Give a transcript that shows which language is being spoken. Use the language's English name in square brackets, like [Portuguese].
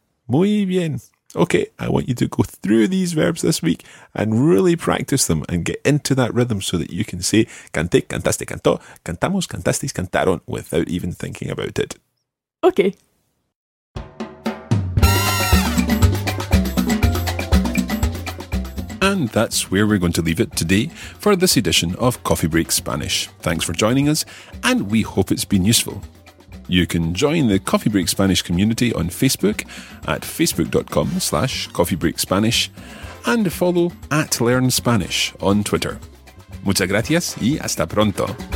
[Spanish] Muy bien. [English] Okay, I want you to go through these verbs this week and really practice them and get into that rhythm so that you can say, [Spanish] canté, cantaste, cantó, cantamos, cantasteis, cantaron, [English] without even thinking about it. Okay. And that's where we're going to leave it today for this edition of Coffee Break Spanish. Thanks for joining us, and we hope it's been useful. You can join the Coffee Break Spanish community on Facebook at facebook.com/coffeebreakspanish and follow @learnspanish on Twitter. [Spanish] Muchas gracias y hasta pronto.